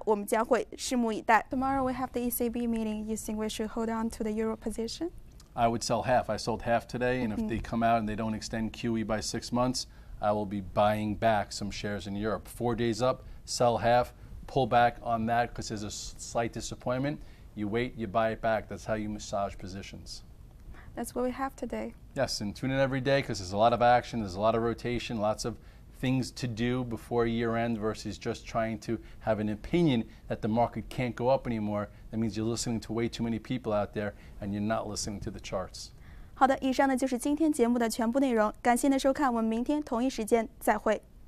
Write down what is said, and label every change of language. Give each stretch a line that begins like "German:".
Chinese: 我们将会拭目以待。
English: Tomorrow we have the ECB meeting. You think we should hold on to the euro position? I would sell half. I sold half today, and if they come out and they don't extend QE by 6 months, I will be buying back some shares in Europe. 4 days up, sell half. Pull back on that because there's a slight disappointment. You wait, you buy it back. That's how you massage positions. That's what we have today. Yes, and tune in every day because there's a lot of action, there's a lot of rotation, lots of things to do before year end versus just trying to have an opinion that the market can't go up anymore. That means you're listening to way too many people out there and you're not listening to the charts.
Chinese: 好的，以上呢就是今天节目的全部内容。感谢您的收看，我们明天同一时间再会。